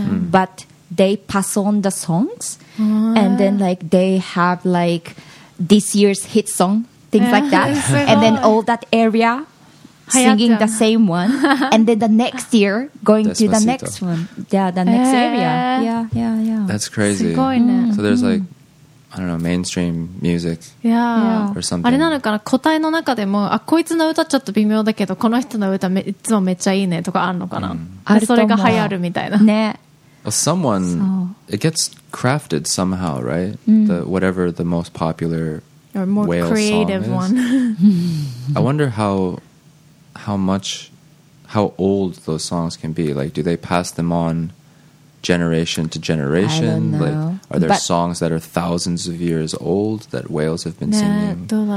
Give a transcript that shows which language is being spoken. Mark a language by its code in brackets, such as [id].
[en] but they pass on the songs and then like they have like this year's hit song things like that and then all that area singing the same one and then the next year going to the next one yeah the next area yeah that's crazy so there's like I don't know mainstream music yeah or something [ja] あれなのかな個体の中でもあこいつの歌ちょっと微妙だけどこの人の歌めいつもめっちゃいいねとかあるのかな、 mm. それが流行るみたいなね [en] well, someone it gets crafted somehow right the whatever the most popular or more whale creative song one I wonder how old those songs can be like do they pass them onGeneration to generation, like, are there songs that are thousands of years old that whales have been singing?